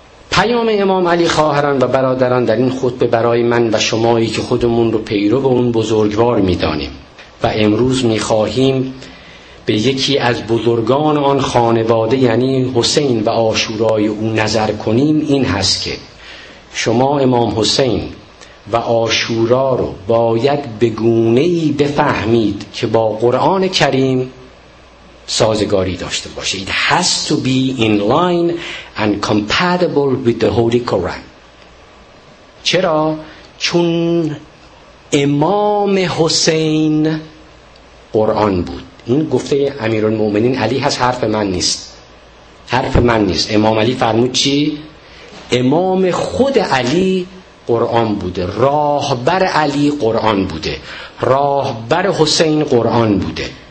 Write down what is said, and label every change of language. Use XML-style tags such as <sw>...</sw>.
<fa>پیام امام علی خواهران و برادران در این خطبه برای من و شمایی که خودمون رو پیرو به اون بزرگوار میدانیم و امروز میخواهیم به یکی از بزرگان آن خانواده یعنی حسین و عاشورای او نظر کنیم این هست که شما امام حسین و عاشورا رو باید به گونه‌ای بفهمید که با قرآن کریم سازگاری داشته باشه.</fa> <en>It has to be in line and compatible with the Holy Quran.</en> <fa>چرا؟ چون امام حسین قرآن بود. این گفته امیرالمومنین علی هست، حرف من نیست، حرف من نیست. امام علی فرمود چی؟ امام خود علی قرآن بوده، راهبر علی قرآن بوده، راهبر حسین قرآن بوده.</fa>